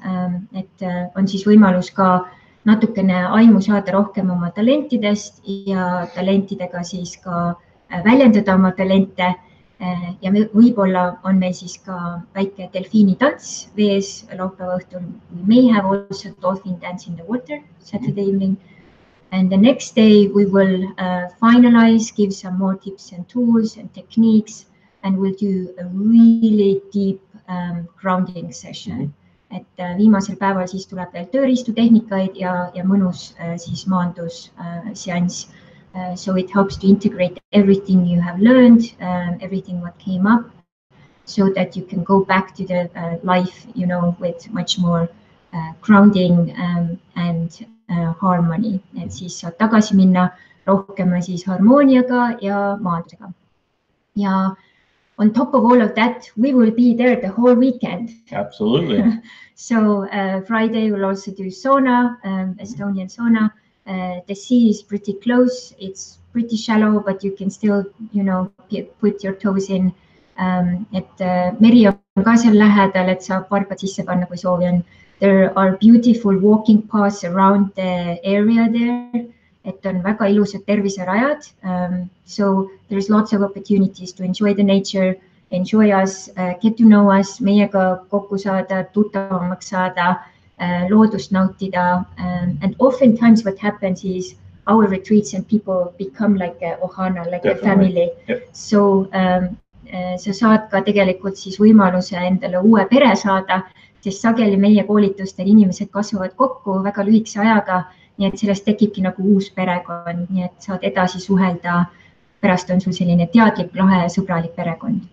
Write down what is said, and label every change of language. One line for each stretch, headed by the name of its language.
Estonian: On siis võimalus ka natukene aimu saada rohkem oma talentidest ja talentidega siis ka väljendada oma talente. Ja võib-olla on meil siis ka väike delfiini tants vees laupäeva õhtul.
English: We may have also dolphin dance in the water Saturday evening. And the next day we will finalize, give some more tips and tools and techniques, and we'll do a really deep grounding session. Mm-hmm.
Estonian: Et viimasel päeval siis tuleb veel tööriistutehnikaid ja mõnus siis maandus seanss.
English: So it helps to integrate everything you have learned, everything what came up, so that you can go back to the life, you know, with much more grounding and harmony.
Estonian: Et siis saad tagasi minna rohkem siis harmooniaga ja maandusega. Ja
English: on top of all of that, we will be there the whole weekend. Absolutely. So Friday we'll also do sauna, Estonian sauna. The sea is pretty close. It's pretty shallow, but you can still, you know, put your toes in.
Estonian: Meri on ka seal lähedal, et saab varbad sisse panna, kui soovi on.
English: There are beautiful walking paths around the area there.
Estonian: Et on väga ilusad terviserajad.
English: So there's lots of opportunities to enjoy the nature, enjoy us, get to know us,
Estonian: meiega kokku saada, tuttavamaks saada, loodust nautida.
English: And oftentimes what happens is our retreats and people become like a ohana, like Definitely. A family. Yep.
Estonian: So sa saad ka tegelikult siis võimaluse endale uue pere saada, sest sageli meie koolitustel inimesed kasvavad kokku väga lühikse ajaga, nii et sellest tekibki nagu uus perekond, nii et saad edasi suhelda, pärast on sul selline teadlik, lahe ja sõbralik perekond.